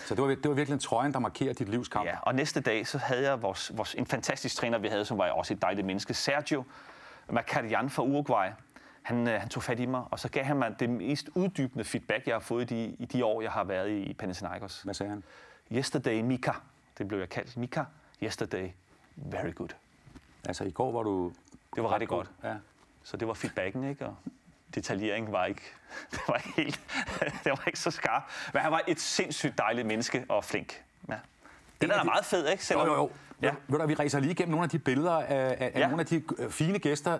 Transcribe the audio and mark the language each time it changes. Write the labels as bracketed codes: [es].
[da] så det var virkelig en trøje, der markerer dit livskamp. Ja, og næste dag, så havde jeg vores en fantastisk træner, vi havde, som var også et dejligt menneske, Sergio Macarian fra Uruguay. Han tog fat i mig, og så gav han mig det mest uddybende feedback, jeg har fået i de år, jeg har været i Panathinaikos. Hvad sagde han? [en] Yesterday, [da] Mika. Det blev jeg kaldt. [en] Mika, yesterday, very good. [da] Altså i går var du... Det var rigtig godt. Ja. Så det var feedbacken, ikke? Og detaljeringen var ikke, det var ikke så skarp. Men han var et sindssygt dejligt menneske og flink. Ja. Den er da meget fed, ikke? Selvom... Jo. Ja. Ved du, vi rejser lige igennem nogle af de billeder af nogle af de fine gæster.